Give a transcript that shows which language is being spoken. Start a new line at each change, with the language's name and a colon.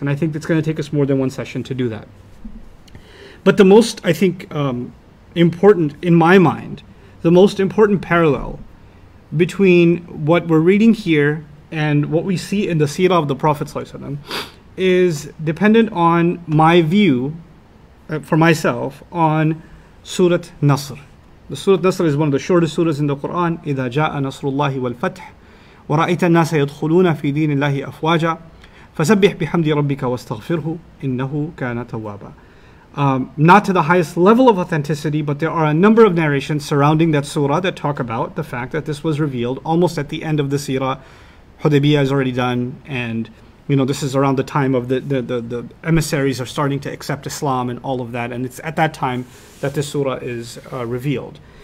English: And I think it's going to take us more than one session to do that. But the most, I think, important, in my mind, the most important parallel between what we're reading here and what we see in the seerah of the Prophet ﷺ is dependent on my view, for myself, on Surat Nasr. The Surat Nasr is one of the shortest surahs in the Quran.
Arabic: إِذَا جَاءَ نَصْرُ اللَّهِ وَالْفَتْحِ ورأيت الناس يدخلون في دين الله أفواجا فسبح بحمد ربك واستغفره إنه كان توابا.
English: Not to the highest level of authenticity, but there are a number of narrations surrounding that surah that talk about the fact that this was revealed almost at the end of the seerah. Hudaybiyah is already done, and you know, this is around the time of the emissaries are starting to accept Islam and all of that, and it's at that time that this surah is revealed.